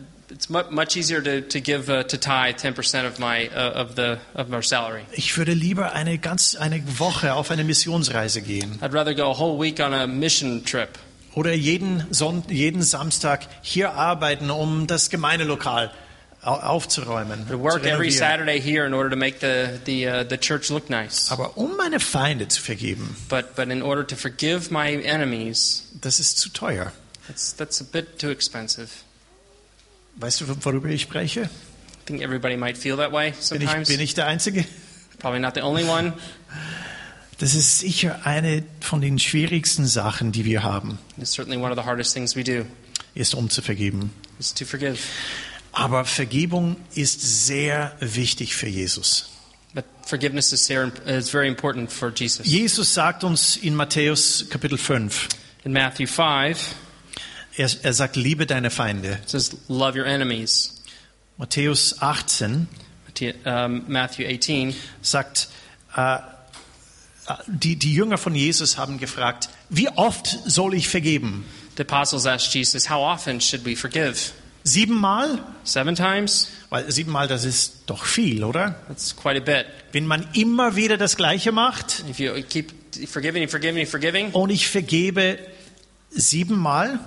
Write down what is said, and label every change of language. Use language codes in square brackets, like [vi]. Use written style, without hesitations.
[en] It's much easier to give to tithe 10% of my of our salary. [de] Ich würde lieber eine Woche auf eine Missionsreise gehen. [en] I'd rather go a whole week on a mission trip. [de] Oder jeden Samstag hier arbeiten, um das Gemeindelokal aufzuräumen. [en] To work every Saturday here in order to make the church look nice. [de] Aber um meine Feinde zu vergeben. [en] But in order to forgive my enemies. [de] Das ist zu teuer. [en] That's a bit too expensive. [de] Weißt du, worüber ich spreche? [en] I think everybody might feel that way sometimes. [de] Bin ich der Einzige? [en] Probably not the only one. [de] Das ist sicher eine von den schwierigsten Sachen, die wir haben. [en] It's certainly one of the hardest things we do. [de] Ist um zu vergeben. [en] It's to forgive. [de] Aber Vergebung ist sehr wichtig für Jesus. [en] But forgiveness is very important for Jesus. [de] Jesus sagt uns in Matthäus Kapitel 5. [en] In Matthew 5. [de] Er sagt, liebe deine Feinde. [en] It says, love your enemies. [de] Matthäus 18, [en] Matthew 18 [de] sagt, die Jünger von Jesus haben gefragt, wie oft soll ich vergeben? [en] The apostles asked Jesus, how often should we forgive? [de] Siebenmal? [en] Seven times? [de] Weil siebenmal, das ist doch viel, oder? [en] That's quite a bit. [de] Wenn man immer wieder das Gleiche macht, [en] if you keep forgiving, [de] und ich vergebe siebenmal.